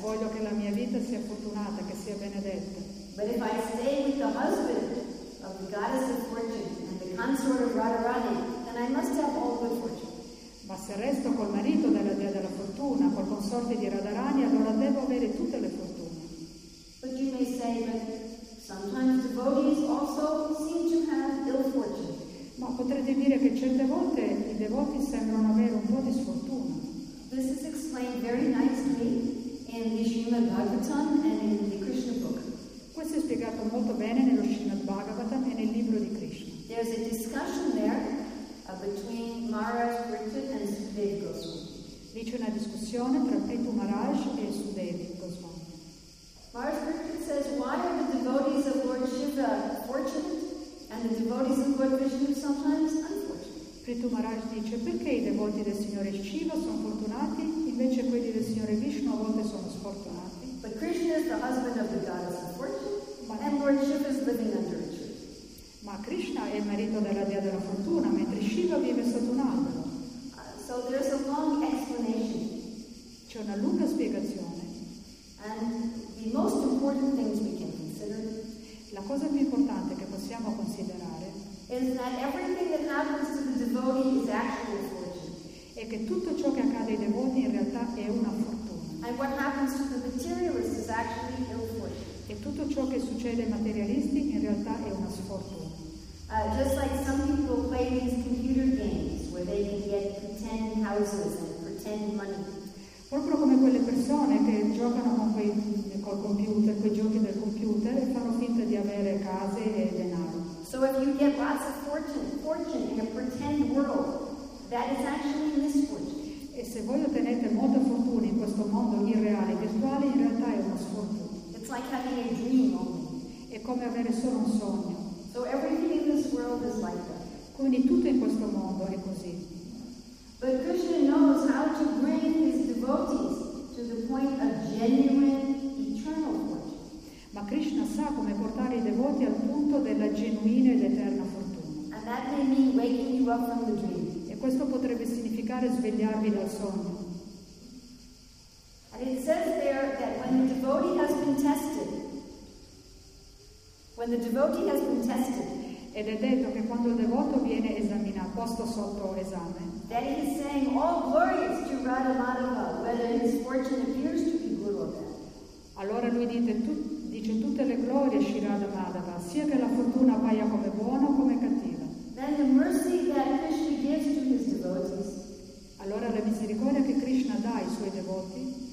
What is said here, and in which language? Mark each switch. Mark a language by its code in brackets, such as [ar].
[it] Voglio che la mia vita sia fortunata, che sia benedetta. [en] But if I stay with the husband of the goddess of fortune and the consort of Radharani, then I must have all good fortune. [it] Ma se resto col marito della dea della fortuna, col consorte di Radharani, allora devo avere tutte le fortune. [en] But you may say that sometimes devotees also seem to have ill fortune. [it] Ma potrete dire che certe volte i devoti sembrano avere un po' di sfortuna. [en] This is explained very nicely in the Srimad Bhagavatam and in the Krishna book. [it] Questo è spiegato molto bene nello Srimad Bhagavatam e nel libro di Krishna. [en] There's a discussion there between Maharaj Pritchett and Sudevi Goswami. [it] Lì c'è una discussione tra Pritu Maharaj e Sudevi Goswami. [en] Maharaj Pritchett says, why are the devotees of Lord Shiva fortunate and the devotees of Lord Vishnu sometimes [it] Prithu Maharaj dice, perché i devoti del Signore Shiva sono fortunati, invece quelli del Signore Vishnu a volte sono sfortunati? [en] But Krishna is the husband of the goddess of fortune, and Lord Shiva is living under a tree. [it] Ma Krishna è il marito della dea della fortuna, mentre Shiva vive sotto un albero. [en] So there is a long explanation. [it] C'è una lunga spiegazione. [en] And the most important things we can consider. [it] La cosa più importante che possiamo considerare [en] is that everything that happens to the devotee is actually a fortune. [it] È che tutto ciò che accade ai devoti in realtà è una fortuna. [en] And what happens to the materialist is actually ill fortune. [it] E tutto ciò che succede ai materialisti in realtà è una sfortuna. [en] Just like some people play these computer games where they can get pretend houses and pretend money. [it] Proprio come quelle persone che giocano con col computer, quei giochi del computer e fanno finta di avere case e denaro. [en] So if you get lots of fortune in a pretend world, that is actually misfortune. [it] E se voi ottenete molta fortuna in questo mondo irreale, virtuale, in realtà è una sfortuna. [en] It's like having a dream only. [it] È come avere solo un sogno. [en] So everything in this world is like that. [it] Quindi tutto in questo mondo è così. [en] But Krishna knows how to bring his devotees to the point of genuine eternal fortune. [it] Ma Krishna sa come portare i devoti al punto della genuina ed eterna fortuna. [en] And that may mean waking you up from the dream. [it] E questo potrebbe significare svegliarvi dal sogno. [en] And it says there that when the devotee has been tested, when the devotee has been tested, [it] ed è detto che quando il devoto viene esaminato, posto sotto esame, [en] then he is saying all glories to Radha Madhava, whether his fortune appears to be good or bad. [it] Allora lui dice tutte le glorie a Shri Radha Madhava, sia che la fortuna appaia come buona o come cattiva. [en] Then the mercy that Krishna gives to his devotees. [it] Allora la misericordia che Krishna dà ai suoi devoti